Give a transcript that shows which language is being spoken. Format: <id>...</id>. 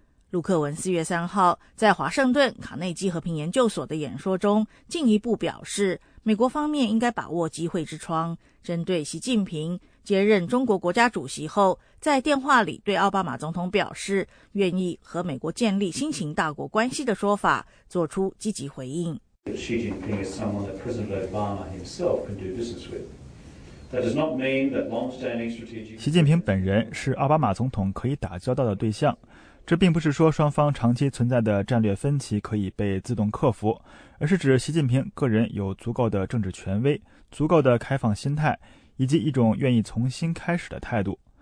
<zh>陆克文4月3号在华盛顿卡内基和平研究所的演说中进一步表示，美国方面应该把握机会之窗，针对习近平接任中国国家主席后在电话里对奥巴马总统表示愿意和美国建立新型大国关系的说法做出积极回应。</zh> <en>Xi Jinping is someone that President Obama himself can do business with. That does not mean that long-standing strategic.</en> <zh>习近平本人是奥巴马总统可以打交道的对象，这并不是说双方长期存在的战略分歧可以被自动克服，而是指习近平个人有足够的政治权威、足够的开放心态，以及一种愿意重新开始的态度。</zh>